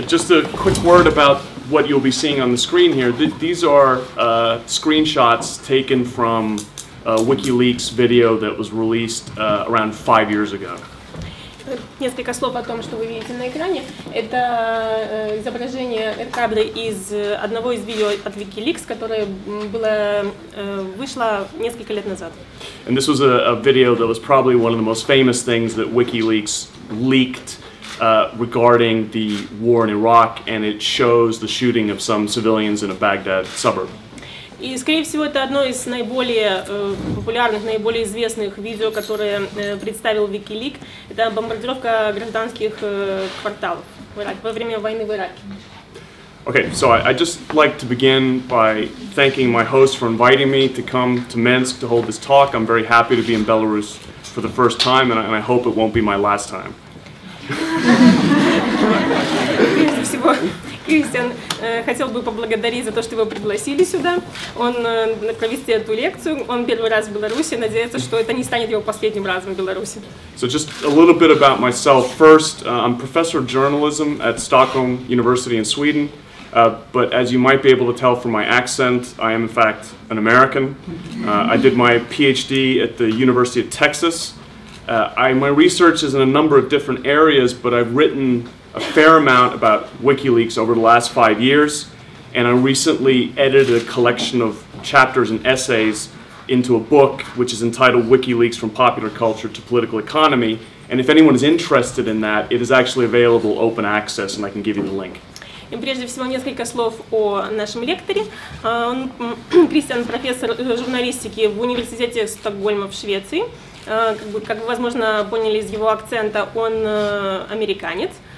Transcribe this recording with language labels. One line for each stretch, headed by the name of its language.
English: Just a quick word about what you'll be seeing on the screen here. These are screenshots taken from WikiLeaks video that was released around 5 years ago.
Russian: Несколько слов о том, что вы видите на экране. Это изображение, кадры из одного из видео от WikiLeaks, которое было вышло несколько лет назад.
English: And this was a video that was probably one of the most famous things that WikiLeaks leaked regarding the war in Iraq, and it shows the shooting of some civilians in a Baghdad suburb.
Russian: И, скорее всего, это одно из наиболее популярных, наиболее известных видео, которое представил WikiLeaks. Это бомбардировка гражданских кварталов в Ираке, во время войны в Ираке.
English: Okay, so I'd just like to begin by thanking my host for inviting me to come to Minsk to hold this talk. I'm very happy to be in Belarus for the first time, and I hope it won't be my last time.
Russian: Прежде всего, Кристиан хотел бы поблагодарить за то, что его пригласили сюда. Он провести эту лекцию. Он первый раз в Беларуси. Надеется, что это не станет его последним разом в Беларуси.
English: So just a little bit about myself. First, I'm professor of journalism at Stockholm University in Sweden. But as you might be able to tell from my accent, I am in fact an American. I did my PhD at the University of Texas. My research is in a number of different areas, but I've written a fair amount about WikiLeaks over the last 5 years, and I recently edited a collection of chapters and essays into a book which is entitled WikiLeaks from Popular Culture to Political Economy, and if anyone is interested in that, it is actually available open access, and I can give you the link.
Russian: И прежде всего несколько слов о нашем лекторе. Он Кристиан, профессор журналистики в университете Стокгольма в Швеции. Как вы, возможно, поняли из его акцента, он американец.